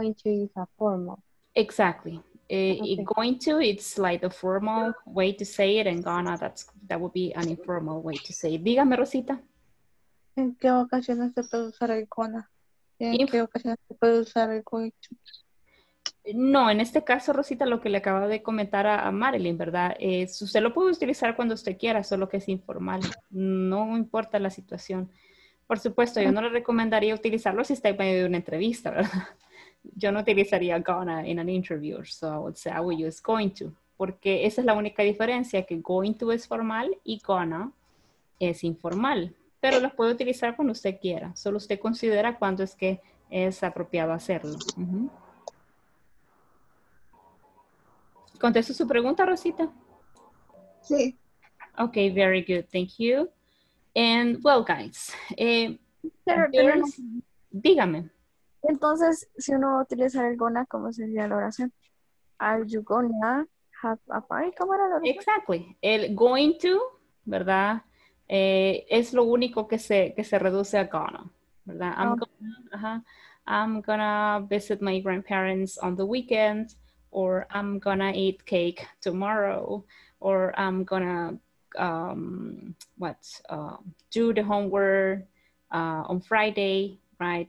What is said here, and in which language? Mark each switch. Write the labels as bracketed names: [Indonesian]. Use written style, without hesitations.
[English] is an informal form and going to is a formal. Exactly. Okay. Going to, it's like the formal way to say it, and gonna, that would be an informal way to say it. [Spanish] Dígame, Rosita. ¿En qué ocasiones se puede usar el gonna? ¿En qué ocasiones se puede usar el going to? No, en este caso, Rosita, lo que le acaba de comentar a Marilyn, ¿verdad? Usted lo puede utilizar cuando usted quiera, solo que es informal. No importa la situación. Por supuesto, yo no le recomendaría utilizarlo si está en medio de una entrevista, ¿verdad? Yo no utilizaría [English] gonna in an interview, so I would say I would use going to. [Spanish] Porque esa es la única diferencia, que going to es formal y gonna es informal. Pero lo puede utilizar cuando usted quiera. Solo usted considera cuándo es que es apropiado hacerlo. Uh-huh. ¿Contesto su pregunta, Rosita? Sí. [English] Okay, very good. Thank you. And, well, guys. [Spanish] Dígame. Entonces, si uno va a utilizar el gonna, ¿cómo sería la oración? [English] Are you gonna have a party? [Spanish] ¿Cómo era la oración? Exactly. El going to, ¿verdad? Es lo único que se reduce a gonna, ¿verdad? [English] I'm, okay. Gonna, uh-huh. I'm gonna visit my grandparents on the weekend. Or I'm gonna eat cake tomorrow, or I'm gonna do the homework on Friday, right?